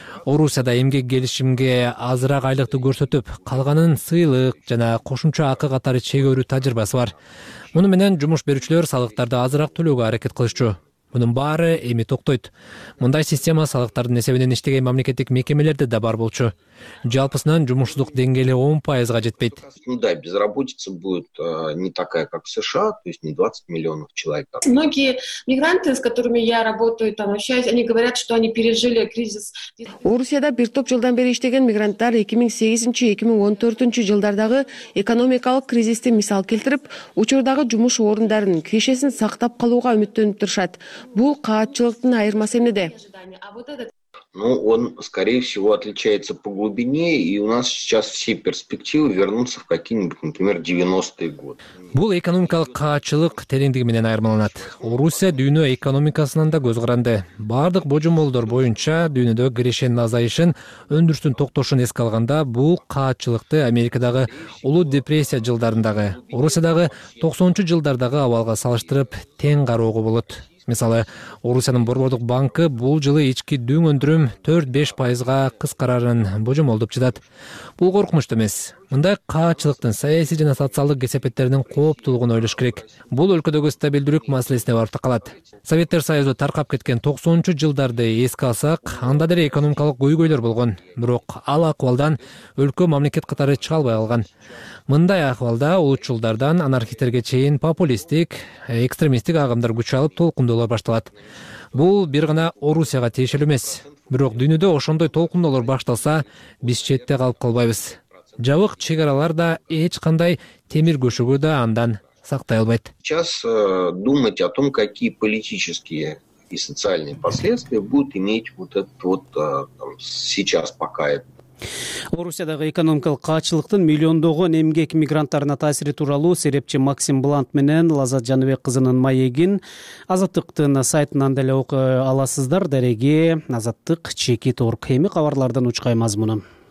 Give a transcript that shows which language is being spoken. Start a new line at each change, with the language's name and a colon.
Kyrgyz: Орусияда эмгек келишимге азыраак айлыкты көрсөтүп, калганын сыйлык жана кошумча акы катары чегерүү тажрыйбасы бар. Муну менен жумуш берүүчүлөр салыктарды азыраак төлөөгө аракет кылышчу. Мунун баары эми токтойт. Мындай система салыктардын эсебинен иштеген мамлекеттик мекемелерде да бар болчу. Жалпысынан жумушсуздук деңгээли 10%га жетпейт.
Russian: Ну да, безработица будет не такая, как в США, то есть не 20 миллионов человек. Многие мигранты, с которыми я работаю, там общаюсь, они говорят, что они пережили кризис.
Kyrgyz: Орусияда бир топ жылдан бери иштеген мигранттар 2008-2014 жылдардагы экономикалык кризисти мисал келтирип, учурдагы жумуш орундарын, кишесин сактап калууга үмүттөнүп турушат. Бул каатчылыктын айырмасы эмнеде?
Russian: Ну, он, скорее всего, отличается по глубине, и у нас сейчас все перспективы вернуться в какие-нибудь, например, 90-е годы.
Kyrgyz: Бул экономикалык каачылык тереңдиги менен айырмаланат. Орусия дүйнө экономикасынан да көз каранды. Бардык божомолдор боюнча дүйнөдө кирешенин азайышын, өндүрүштүн токтошун эске алганда, бул каачылыкты Америкадагы улуу депрессия жылдарындагы, Орусиядагы 90-чу жылдардагы абалга салыштырып, тең кароого болот. Мисалы, Орусиянын борбордук банкы бул жылы ички дүң өндүрүм 4-5%га кыскарарын божомолдоп жатат. Бул коркунучтуу эмес. Мындай каачылыктын саясий жана социалдык кесепеттеринин кооптуулугун ойлош керек. Бул өлкөдөгү стабилдүүлүк маселесине барып такалат. Советтер Союзу таркап кеткен 90-чу жылдарды эске алсак, анда деле экономикалык көйгөйлөр болгон. Бирок ал акыбалдан өлкө мамлекет катары чыга албай калган. Мындай акыбалда улутчулдардан анархисттерге чейин популисттик, экстремисттик агымдар күч алып, толкундуулар башталат. Бул бир гана Орусияга тиешелүү эмес. Бирок дүйнөдө ошондой толкундуулар башталса, биз четте калып калбайбыз. Жабык чек аралар да эч кандай темир көшөгө да андан сактай албайт.
Russian: Сейчас думать о том, какие политические и социальные последствия будут иметь вот этот вот там, сейчас пока это.
Kyrgyz: Орусиядагы экономикалык каачылыктын миллиондогон эмгек мигранттарына таасири тууралуу серепчи Максим Блант менен Лаза Жаныбек кызынын маегин Азаттыктын сайтынан деле окуй аласыздар. Дареги Азаттык чекит орг. Эми кабарлардын учкай мазмуну.